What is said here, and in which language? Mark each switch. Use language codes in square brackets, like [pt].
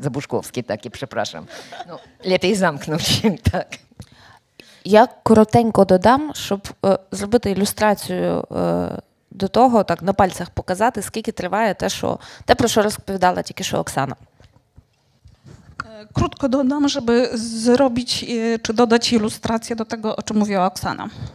[pl] Zabuszkowski taki, przepraszam. No, lepiej zamknąć się, tak. Ja krótko dodam, [uk] щоб зробити ілюстрацію до того, так, на пальцях показати, скільки триває те, про що розповідала тільки що Оксана. [pl] Krótko dodam, żeby zrobić czy dodać ilustrację do tego, o czym mówiła Oksana.